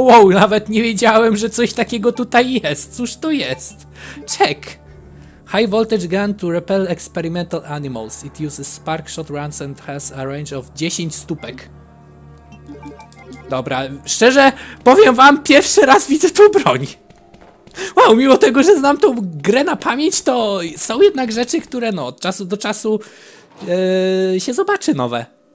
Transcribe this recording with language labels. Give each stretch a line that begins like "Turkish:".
Polish: Nawet nie wiedziałem, że coś takiego tutaj jest. Cóż to jest? Check.
English: High voltage gun to repel experimental animals. It uses spark shot rounds and has a range of 10
Polish: stópek. Dobra, szczerze powiem wam, pierwszy raz widzę tu broń. Wow, mimo tego, że znam tą grę na pamięć, to są jednak rzeczy, które no od czasu do czasu się zobaczy nowe.